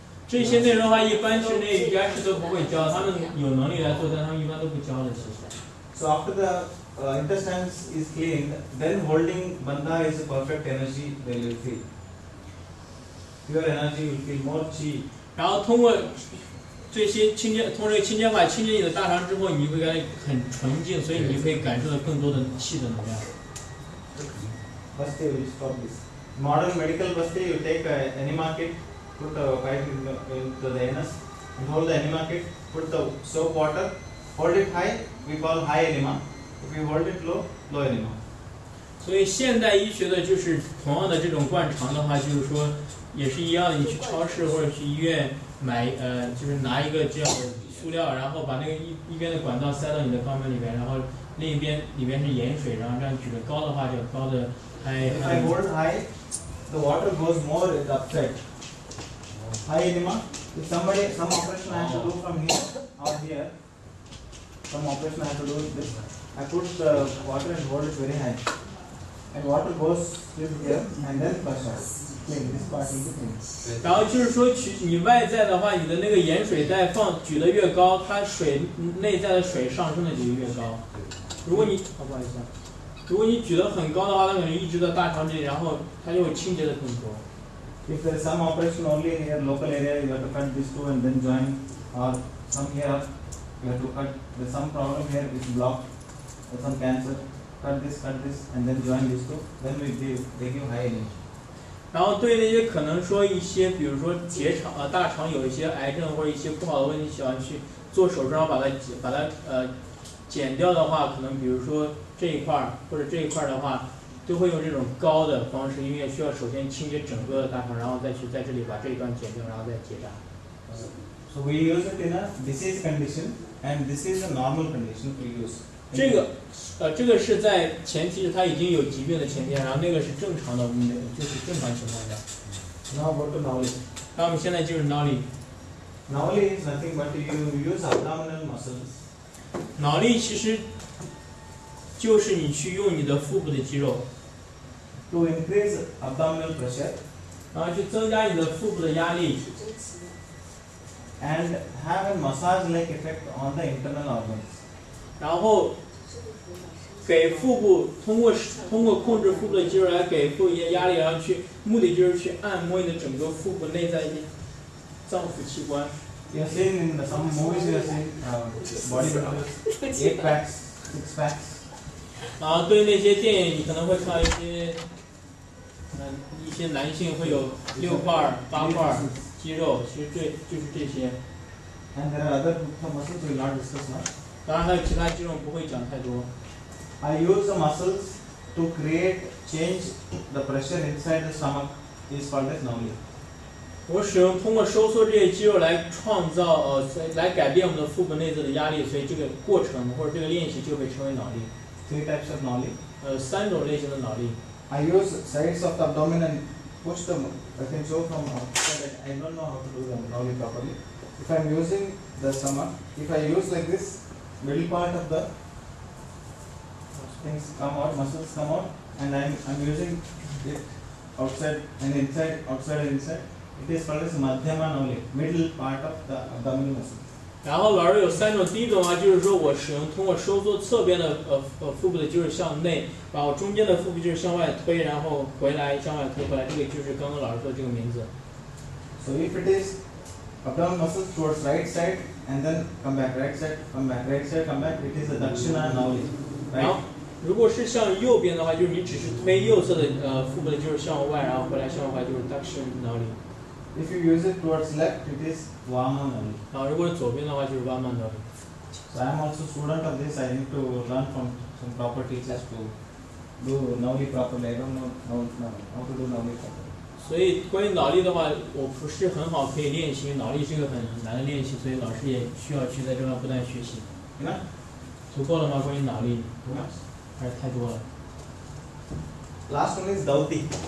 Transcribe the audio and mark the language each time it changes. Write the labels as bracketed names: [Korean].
[Chinese] 这些内容的话，一般训练瑜伽师都不会教，他们有能力来做，但他们一般都不教的。其实。 [English] So after the intestines is cleaned, then holding bandha is a perfect energy that you feel. Your energy will feel more chi. [Chinese] 然后通过这些清洁，通过这个清洁法清洁你的大肠之后，你会感觉很纯净，所以你可以感受到更多的气的能量。 [English] First day will stop this. Modern medical first day, you take an enema kit, put a pipe into the anus, and hold the enema kit, put the soap water, hold it high, we call high enema. If you hold it low, low enema. [Chinese] 所以现代医学的就是同样的这种灌肠的话，就是说也是一样，你去超市或者去医院。买就是拿一个这样的塑料，然后把那个一边的管道塞到你的肛门里边，然后另一边里面是盐水，然后这样举得高的话叫高的 high。 [English] If I hold high, the water goes more upside. High enema. If some operation I have to do from here or here, some operation I have to do with this. I put the water and hold it very high. And water goes through here and then flush out. [Chinese] 然后就是说你外在的话，你的那个盐水袋放举得越高，它水内在的水上升的就越高。如果你不好意思，如果你举得很高的话，它可能一直在大肠这里，然后它就会清洁的更多。 [English] If there is some operation only in your local area, you have to cut this two and then join, or some here you have to cut. There is some problem here, it's blocked, or some cancer. Cut this and then join this two. Then we give, they give high energy. [Chinese] 然后对那些可能说一些比如说结肠大肠有一些癌症或者一些不好的问题喜欢去做手术，然后把它剪掉的话，可能比如说这一块或者这一块的话都会用这种高的方式，因为需要首先清洁整个的大肠，然后再去在这里把这一段剪掉，然后再结扎。 [English] So we use it in a disease condition and this is a normal condition we use. [Chinese] 这个是在前期是他已经有疾病的前提，然后那个是正常的，我们就是正常情况下。 [English] Now what about Nauli? [Chinese] 那我们现在就是 Nauli. [English] Nauli is nothing but you use abdominal muscles. [Chinese] Nauli 其实就是你去用你的腹部的肌肉。 [English] To increase abdominal pressure. [Chinese] 然后去增加你的腹部的压力。 [English] And have a massage-like effect on the internal organs. [Chinese] 然后给腹部通过控制腹部的肌肉来给腹部一些压力，然后去目的就是去按摩你的整个腹部内在一些脏腑器官。 [English] You have seen in the some movies, you have seen bodybuilders, eight packs, six packs. [Chinese] 然后对那些电影，你可能会看到一些男性会有六块、八块肌肉，其实这就是这些。 [English] And there are other muscles we will not discuss now. [Chinese] 当然还有其他肌肉不会讲太多。 [English] I use the muscles to create change the pressure inside the stomach is called as Nauli. [Chinese] 我使用通过收缩这些肌肉来创造来改变我们的腹部内侧的压力，所以这个过程或者这个练习就被称为 Nauli. [English] Three types of Nauli. [Chinese] 三种类型的 Nauli. [English] I use sides of the abdomen and push them. I can show from outside. I don't know how to do the Nauli properly. If I'm using the stomach, if I use like this. Middle part of the things come out, muscles come out, and I'm using it outside and inside, outside and inside. It is called as madhyama nauli, middle part of the abdominal muscles. [Chinese] 然后老师有三种，第一种啊，就是说我使用通过收缩侧边的腹部的肌肉向内，把我中间的腹部肌肉向外推，然后回来向外推回来，这个就是刚刚老师说的这个名字。 [English] So if it is abdominal muscles towards right side. And then come back, right side, come back, right side, come back. It is a dakshina nauli. Right? [Chinese] 然后，如果是向右边的话，就是你只是推右侧的腹部的肌肉向外，然后回来向外就是 dakshina nauli. [English] If you use it towards left, it is vama nauli. [Chinese] 然后，如果是左边的话，就是 vama nauli. [English] So I am also student of this. I need to learn from some proper teachers to do nauli properly. I don't know how to do nauli properly. [Chinese] 所以关于脑力的话，我不是很好可以练习，因为脑力是一个很难的练习，所以老师也需要去在这边不断学习。足够了吗？关于脑力，还是太多了。 [English] Last one is Dauti。